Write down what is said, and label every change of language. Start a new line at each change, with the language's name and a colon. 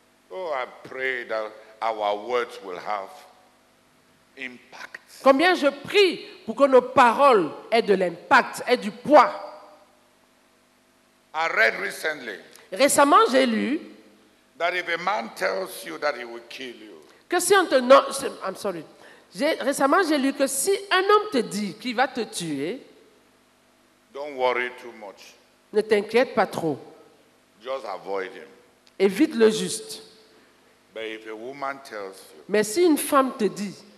English: Oh, I pray that our words will have impact.
French: Combien je prie pour que nos paroles aient de l'impact, aient du poids.
English: I read recently.
French: Récemment, j'ai lu.
English: That if a man tells you that he will kill you.
French: Que si on te non,
English: I'm sorry.
French: Récemment, j'ai lu que si un homme te dit qu'il va te tuer,
English: don't worry too much.
French: Ne t'inquiète pas trop.
English: Just avoid him.
French: Évite le juste.
English: But if a woman tells you,
French: mais si une femme te dit